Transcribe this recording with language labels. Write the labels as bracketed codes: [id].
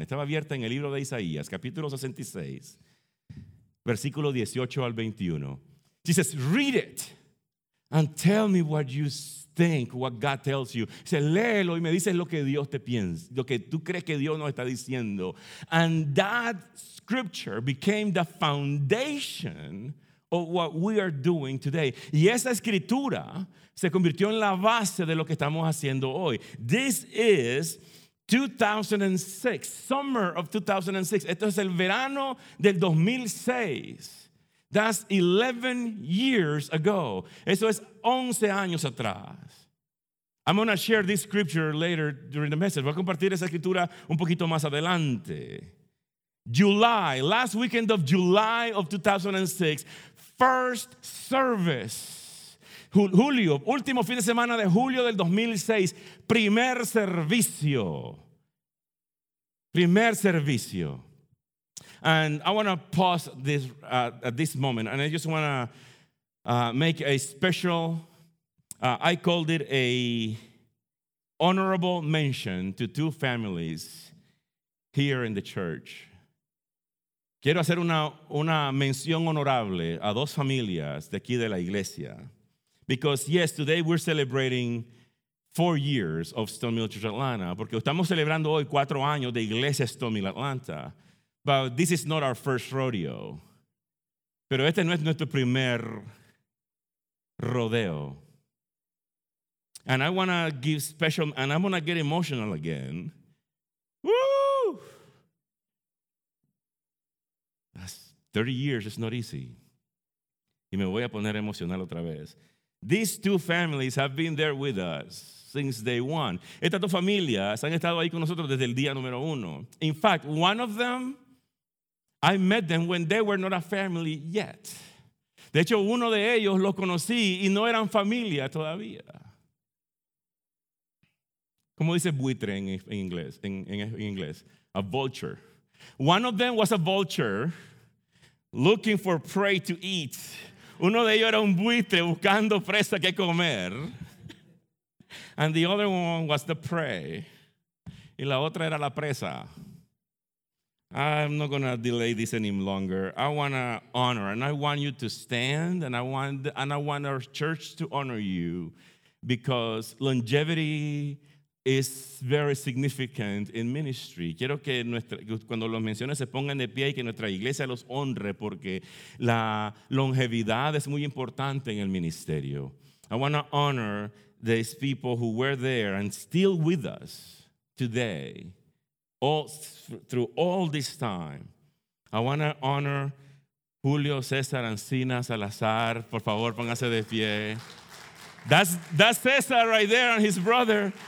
[es] Estaba abierta en el libro de Isaías, capítulo 66, versículo 18 al 21. [en] She says, read it. And tell me what you think, what God tells you. [es] Dice, léelo y me dices lo que Dios te piensa, lo que tú crees que Dios nos está diciendo. [en] And that scripture became the foundation of what we are doing today. [es] Y esa escritura se convirtió en la base de lo que estamos haciendo hoy. [en] This is 2006, summer of 2006. [es] Esto es el verano del 2006. [en] That's 11 years ago. [es] Eso es 11 años atrás. [en] I'm going to share this scripture later during the message. [es] Voy a compartir esa escritura un poquito más adelante. [en] July, last weekend of July of 2006, first service. [es] Julio, último fin de semana de julio del 2006, primer servicio. Primer servicio. [en] And I want to pause this at this moment, and I just want to make a special, I called it a honorable mention to two families here in the church. [es] Quiero hacer una mención honorable a dos familias de aquí de la iglesia. [en] Because yes, today we're celebrating 4 years of Stone Mill Church Atlanta, [es] porque estamos celebrando hoy 4 años de Iglesia Stone Mill Atlanta. [en] But this is not our first rodeo. [es] Pero este no es nuestro primer rodeo. [en] And I want to give special, and I'm going to get emotional again. Woo! That's 30 years, it's not easy. [es] Y me voy a poner emocional otra vez. [en] These two families have been there with us since day one. [es] Estas dos familias han estado ahí con nosotros desde el día número uno. [en] In fact, one of them, I met them when they were not a family yet. [es] De hecho, uno de ellos lo conocí y no eran familia todavía. ¿Cómo dice buitre en inglés? [en] A vulture. One of them was a vulture looking for prey to eat. [es] Uno de ellos era un buitre buscando presa que comer. [en] And the other one was the prey. [es] Y la otra era la presa. [en] I'm not going to delay this any longer. I want to honor, and I want you to stand, and I want our church to honor you, because longevity is very significant in ministry. [es] Quiero que cuando los menciones se pongan de pie y que nuestra iglesia los honre, porque la longevidad es muy importante en el ministerio. [en] I want to honor these people who were there and still with us today. Through all this time, I want to honor Julio César Ancina Salazar. [es] Por favor, póngase de pie. [en] That's César right there and his brother.